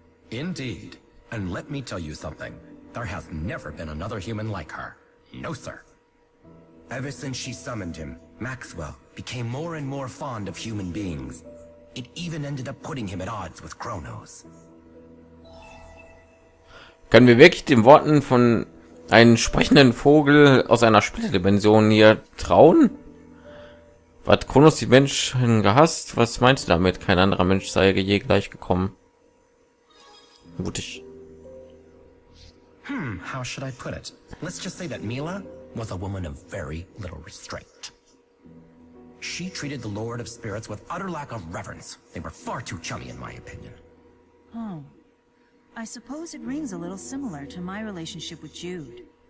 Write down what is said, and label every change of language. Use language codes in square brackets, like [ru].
[en] Indeed. And let me tell you something. There has never been another human like her. No, sir. Ever since she summoned him, Maxwell became more and more fond of human beings. It even ended up putting him at odds with Kronos. [de] Können wir wirklich den Worten von einem sprechenden Vogel aus einer Splitterdimension hier trauen? Hat Kronos die Menschen gehasst? Was meinst du damit? Kein anderer Mensch sei je gleich gekommen. Mutig. [en] Hm, how should I put it? Let's just say that Mila was a woman of very little restraint. She treated the Lord of Spirits with utter lack of reverence. They were far too chummy, in my opinion. Oh. I suppose it rings a little similar to my relationship with Jude.